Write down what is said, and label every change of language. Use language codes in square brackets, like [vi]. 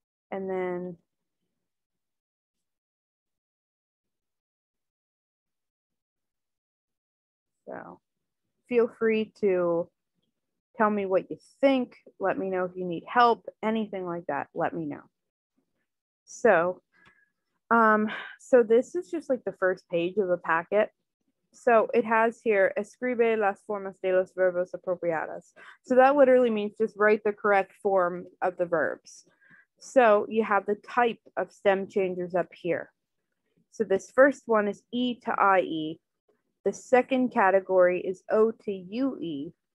[en] And then so feel free to tell me what you think. Let me know if you need help, anything like that. Let me know. So this is just like the first page of a packet. So it has here, [es] escribe las formas de los verbos apropiadas. [en] So that literally means just write the correct form of the verbs. So you have the type of stem changers up here. So this first one is E to IE. The second category is O to UE.